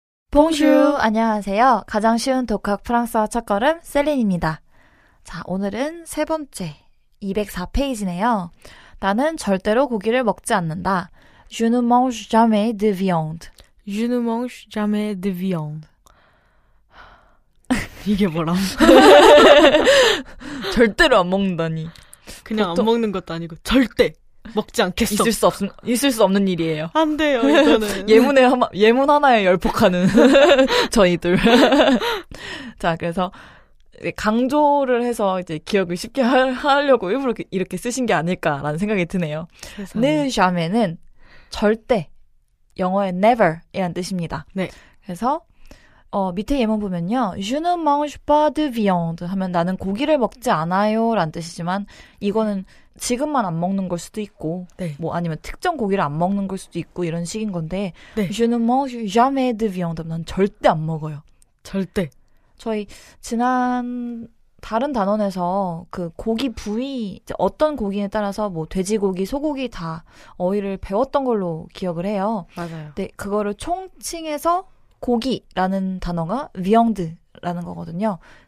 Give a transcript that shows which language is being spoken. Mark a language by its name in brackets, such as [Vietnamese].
[French] Bonjour, [Korean] 안녕하세요. 가장 쉬운 독학 프랑스어 첫 걸음, 셀린입니다. 자, 오늘은 세 번째, 204페이지네요. 나는 절대로 고기를 먹지 않는다. [French] Je ne mange jamais de viande. Je ne mange jamais de viande. [Korean] 이게 뭐람? 절대로 안 먹는다니. 그냥 안 먹는 것도 아니고 절대 먹지 않겠어. 있을 수 없는 일이에요. 안 돼요, 이거는. 예문 하나에 열폭하는 저희들. 자, 그래서 강조를 해서 이제 기억을 쉽게 하려고 일부러 이렇게 쓰신 게 아닐까라는 생각이 드네요. 네, 샤멘은 절대, 영어의 never 이란 뜻입니다. 네. 그래서 밑에 예문 보면요. [French] Je ne mange pas de viande [Korean] 하면 나는 고기를 먹지 않아요 라는 뜻이지만 이거는 지금만 안 먹는 걸 수도 있고 네. 뭐 아니면 특정 고기를 안 먹는 걸 수도 있고 이런 식인 건데 네. [French] Je ne mange jamais de viande [Korean] 하면 난 절대 안 먹어요. 절대. 저희 지난 다른 단원에서 그 고기 부위 어떤 고기에 따라서 뭐 돼지고기, 소고기 다 어휘를 배웠던 걸로 기억을 해요. 맞아요. 근데 그거를 총칭해서 고기라는 단어가 viande라는 거거든요.